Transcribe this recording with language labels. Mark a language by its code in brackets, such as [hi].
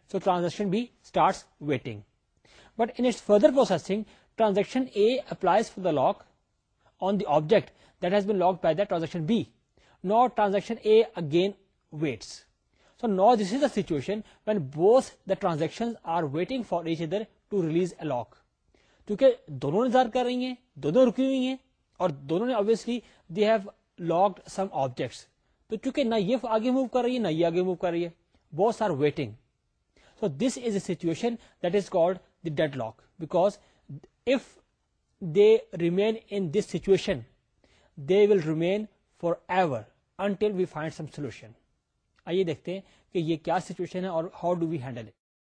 [en] So transaction B starts waiting. But in its further processing, transaction A applies for the lock on the object that has been locked by the transaction B. Now transaction A again waits. So now this is the situation when both the transactions are waiting for each other to release a lock. [ur] کیونکہ دونوں انتظار کر رہی ہیں, دونوں رکی ہوئی ہیں اور دونوں نے [en] obviously they have locked some objects. [ur] تو چونکہ نہ یہ آگے موو کر رہی ہے نہ یہ آگے موو کر رہی ہے, [en] both are waiting. So this is a situation that is called the deadlock. Because if they remain in this situation, they will remain forever until we find some solution. [ur] آئیے دیکھتے ہیں کہ یہ کیا situation ہے اور [en] how do we handle it.